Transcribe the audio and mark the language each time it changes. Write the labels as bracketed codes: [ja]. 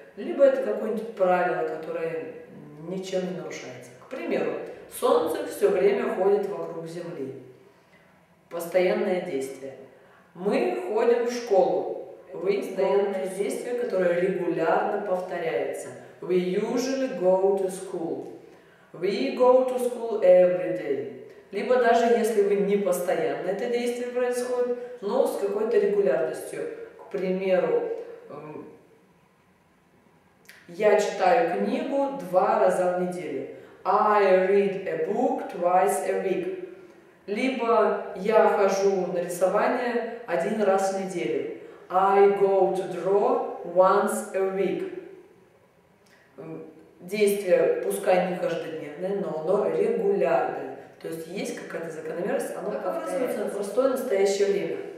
[ru] Либо это какое-нибудь правило, которое ничем не нарушается. К примеру, солнце все время ходит вокруг Земли. Постоянное действие. Мы ходим в школу. Вы постоянное действие, которое регулярно повторяется. [en] We usually go to school. We go to school every day. [ru] Либо даже если вы не постоянно это действие происходит, но с какой-то регулярностью. К примеру, я читаю книгу 2 раза в неделю. [en] I read a book 2 times a week. [ru] Либо я хожу на рисование 1 раз в неделю. [en] I go to draw 1 time a week. [ru] Действие, пускай не каждодневное, но регулярное. То есть есть какая-то закономерность, оно образуется на простое настоящее время.